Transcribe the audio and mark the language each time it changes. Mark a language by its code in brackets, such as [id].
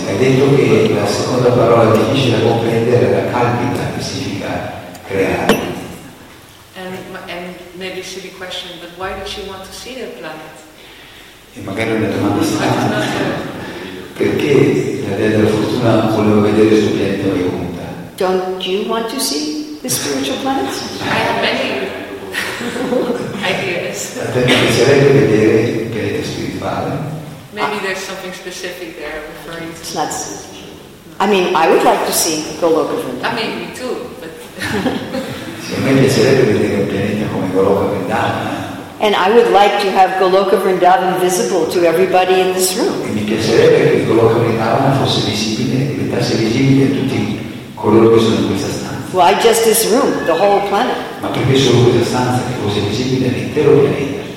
[it] hai detto che la seconda parola difficile da comprendere era calpita, che significa creare. [en] And maybe a silly question, but why did she want to see the planet? [it] E magari una domanda strana. Perché la dea della fortuna voleva vedere il suo pianeta Vaikuntha? [en] Don't you want to see the spiritual planets? I have many ideas. [it] La dea piacerebbe vedere il pianeta spirituale. [en] Maybe there's something specific there referring to. That's, I mean, I would like to see Goloka Vrindavan. I mean, me too, but. [it] Se me piacerebbe vedere un pianeta come Goloka Vrindavan. [en] And I would like to have Goloka Vrindavan visible to everybody in this room. [it] E mi piacerebbe che Goloka Vrindavan fosse visibile, diventasse visibile a tutti coloro che sono in questa stanza. [en] Why just this room, the whole planet? [it] Ma perché solo questa stanza che fosse visibile all'intero pianeta?